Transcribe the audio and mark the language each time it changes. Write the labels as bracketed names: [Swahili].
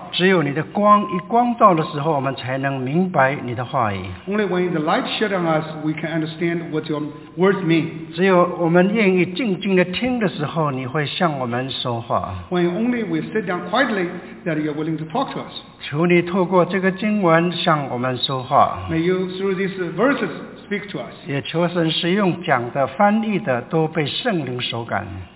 [Chinese] 只有你的光一光到的时候我们才能明白你的话语 [English] Only when the light shed on us we can understand what your words mean [Chinese] 只有我们愿意静静地听的时候你会向我们说话 [English] When only we sit down quietly that you are willing to talk to us [Chinese] 求你透过这个经文向我们说话 [English] May you through these verses speak to us [Chinese] 也求神使用讲的翻译的都被圣灵手感